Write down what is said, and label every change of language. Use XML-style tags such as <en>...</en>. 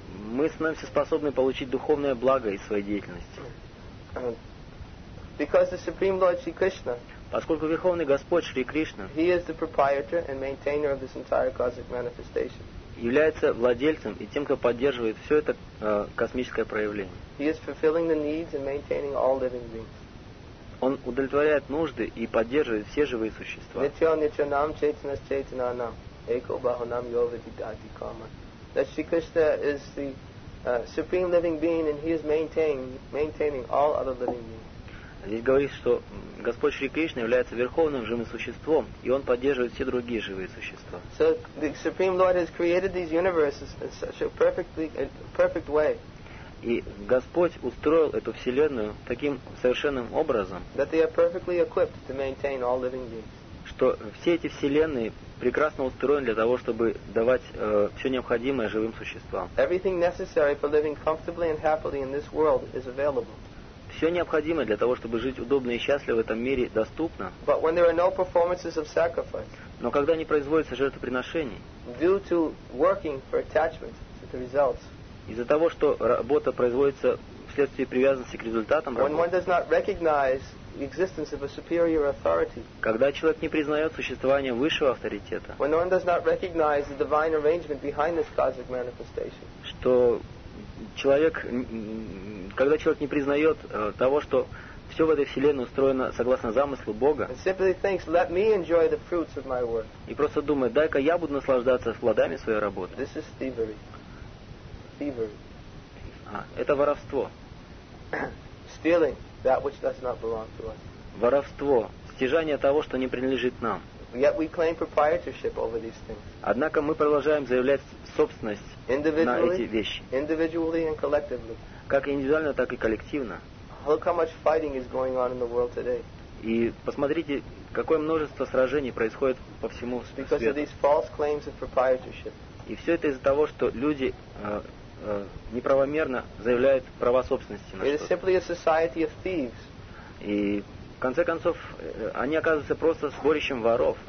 <ru>Мы становимся способны получить духовное благо из своей деятельности.</ru> <en>Because the Supreme Lord Shri Krishna,</en> <ru>поскольку Верховный Господь Шри Кришна,</ru> <en>He is the proprietor and maintainer of this entire cosmic manifestation.</en> <ru>Является владельцем и тем, кто поддерживает все это космическое проявление.</ru> <en>He is fulfilling the needs and maintaining all living beings.</en> <ru>Он удовлетворяет нужды и поддерживает все живые существа.</ru> <sa>Nityo nityo nam chaitanas chaitananam eko bahunam yo vidyati kama.</sa> <en>That Shri Krishna is the supreme living being and He is maintaining all other living beings.</en> <ru>Здесь говорится, что Господь Шри Кришна является верховным живым существом, и Он поддерживает все другие живые существа.</ru> <en>So the Supreme Lord has created these universes in such a perfect way.</en> <ru>И Господь устроил эту вселенную таким совершенным образом,</ru> <en>that they are perfectly equipped to maintain all living beings.</en> <ru>Что все эти вселенные прекрасно устроены для того, чтобы давать все необходимое живым существам.</ru> <en>Everything necessary for living comfortably and happily in this world is available.</en> <ru>Все необходимое для того, чтобы жить удобно и счастливо в этом мире, доступно.</ru> <en>But when there are no performances of sacrifice,</en> <ru>но когда не производится жертвоприношений,</ru> <en>due to working for attachment to the results,</en> <ru>из-за того, что работа производится вследствие привязанности к результатам</ru> <en>when</en> <ru>работы,</ru> <en>one does not recognize the existence of a superior authority,</en> <ru>когда человек не признает существование высшего авторитета,</ru> <en>when one does not recognize the divine arrangement behind this cosmic manifestation,</en> <ru>что человек, когда человек не признает того, что все в этой вселенной устроено согласно замыслу Бога, и просто думает, дай-ка я буду наслаждаться плодами своей работы.</ru> <en>This is thievery. Thievery.</en> <ru>Это воровство.</ru> <en>Stealing that which does not belong to us.</en> <ru>Воровство. Стяжание того, что не принадлежит нам.</ru> <en>Yet we claim proprietorship over these things.</en> <ru>Однако мы продолжаем заявлять собственность на эти вещи.</ru> <en>Individually and collectively.</en> <ru>Как индивидуально, так и коллективно.</ru> <en>Look how much fighting is going on in the world today.</en> <ru>И посмотрите, какое множество сражений происходит по всему свету.</ru> <en>Because of these false claims of proprietorship.</en> <ru>И все это из-за того, что люди неправомерно заявляют права собственности на что-то.</ru> <en>It is simply a society of thieves.</en> <ru>И в конце концов, они оказываются просто сборищем воров,</ru>